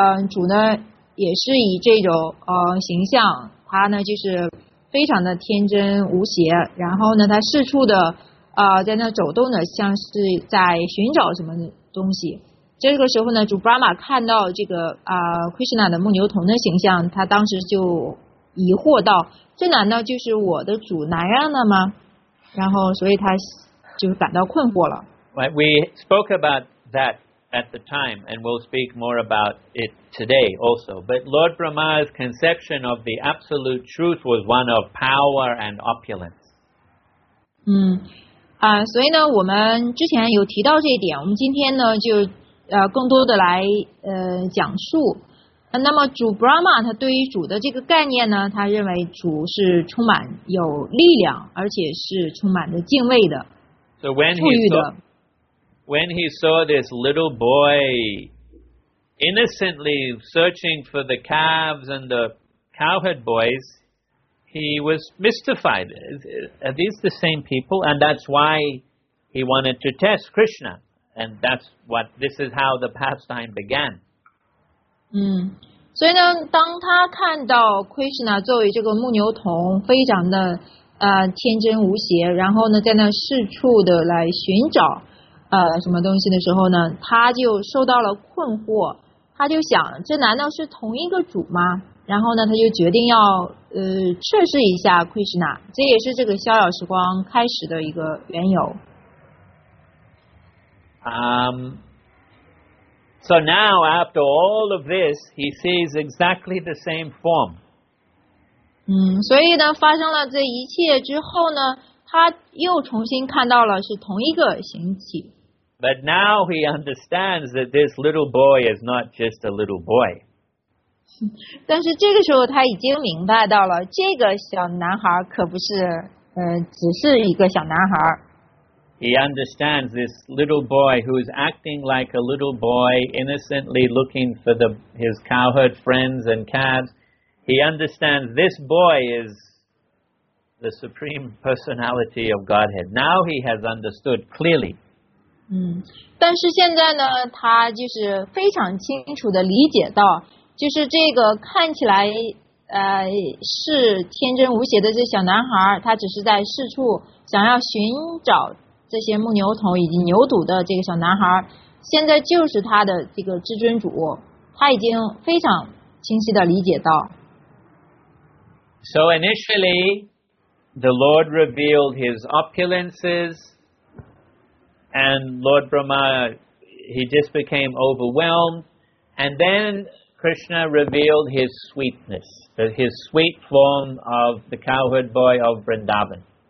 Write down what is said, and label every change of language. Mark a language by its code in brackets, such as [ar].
[zh] 主呢也是以这种形象，他呢就是非常的天真无邪，然后呢他四处的在那走动的，像是在寻找什么东西。这个时候呢，主 Brahma 看到这个Krishna 的牧牛童的形象，他当时就疑惑道：“这难道就是我的主南亚的吗？” 然后，所以他就感到困惑了。 [en] Right, we spoke about that at the time, and we'll speak more about it today also. But Lord Brahma's conception of the absolute truth was one of power and opulence. [zh] 所以呢，我们之前有提到这一点，我们今天呢就更多的来讲述。那么主 Brahma 他对于主的这个概念呢，他认为主是充满有力量，而且是充满着敬畏的。 [en] So when he saw this little boy innocently searching for the calves and the cowherd boys, he was mystified. Are these the same people? And that's why he wanted to test Krishna. And that's what this is how the pastime began. [zh] 所以呢，当他看到 Krishna 作为这个牧牛童，非常的天真无邪，然后呢，在那四处的来寻找什么东西的时候呢，他就受到了困惑。他就想，这难道是同一个主吗？然后呢，他就决定要测试一下 Krishna。这也是这个逍遥时光开始的一个缘由。 [en] So now, after all of this, he sees exactly the same form. [zh] 所以呢，发生了这一切之后呢，他又重新看到了是同一个形体。 [en] But now he understands that this little boy is not just a little boy. [zh] 但是这个时候他已经明白到了，这个小男孩可不是，只是一个小男孩。 [en] He understands this little boy who is acting like a little boy, innocently looking for his cowherd friends and calves. He understands this boy is the supreme personality of Godhead. Now he has understood clearly. [zh] 但是现在呢，他就是非常清楚地理解到，就是这个看起来是天真无邪的这小男孩，他只是在四处想要寻找这些牧牛童以及牛犊的这个小男孩，现在就是他的这个至尊主，他已经非常清晰地理解到。 [en] So initially, the Lord revealed his opulences, and Lord Brahma, he just became overwhelmed, and then Krishna revealed his sweetness, his sweet form of the cowherd boy of Vrindavan.